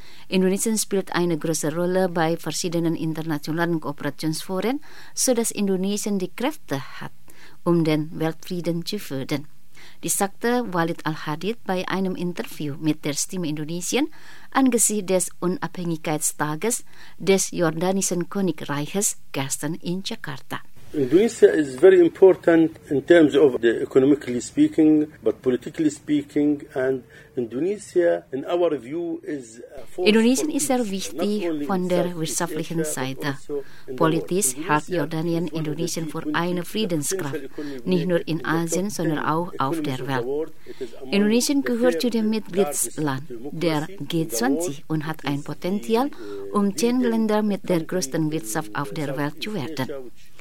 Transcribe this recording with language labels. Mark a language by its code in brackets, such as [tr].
[de] Indonesien spielt eine große Rolle bei verschiedenen internationalen Kooperationsforen, sodass Indonesien die Kräfte hat, um den Weltfrieden zu fördern. die sagte Walid Al-Hadid bei einem Interview mit der Stimme Indonesien angesichts des Unabhängigkeitstages des Jordanischen Königreiches gestern in Jakarta. [en] Indonesia is very important in terms of the economically speaking, but politically speaking, and Indonesia, in our view, is. [de] Indonesien ist sehr wichtig von der wirtschaftlichen Seite. Politisch hat Jordanien Indonesien für eine Friedenskraft, nicht nur in Asien, sondern auch auf der Welt. Indonesien gehört zu dem Mitgliedsland der G20 und hat ein Potenzial, um 10 Länder mit der größten Wirtschaft auf der Welt zu werden.